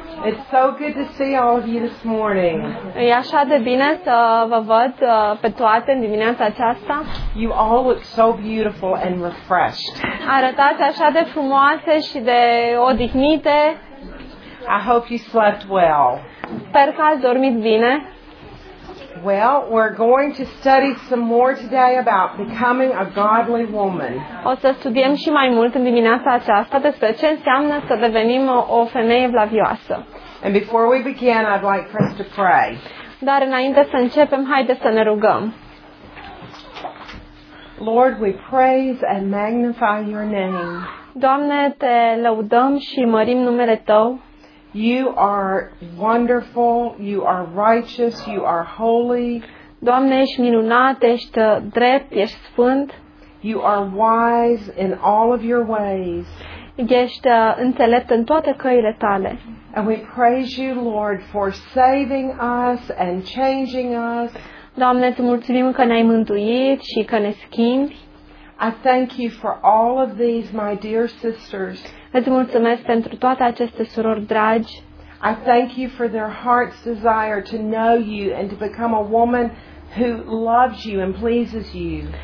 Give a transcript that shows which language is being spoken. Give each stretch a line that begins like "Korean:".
English: It's so good to see all of you this morning.
Romanian: E așa de bine să vă văd pe toate în dimineața aceasta.
English: You all look so beautiful and refreshed.
Romanian: Arătați așa de frumoase și de odihnite.
English: I hope you slept well.
Romanian: Sper că ați dormit bine.
English: Well, we're going to study some more today about becoming a godly woman.
Romanian: O să studiem și mai mult în dimineața aceasta despre ce înseamnă să devenim o femeie vlavioasă.
English: And before we begin, I'd like for us to pray.
Romanian: Dar înainte să începem, haide să ne rugăm.
English: Lord, we praise and magnify your name.
Romanian: Doamne, te lăudăm și mărim numele tău.
English: You are wonderful, you are righteous, you are holy.
Romanian: Doamne, ești minunat, ești drept, ești sfânt.
English: You are wise in all of your ways.
Romanian: Ești înțelept în toate căile tale.
English: And we praise you, Lord, for saving us and changing us.
Romanian: Doamne, îți mulțumim că ne-ai mântuit și că ne schimbi.
English: I thank you for all of these, my dear sisters.
Romanian: Îți mulțumesc pentru toate aceste surori dragi.
English: I thank you for their heart's desire to know you and to become a woman who loves you and pleases you.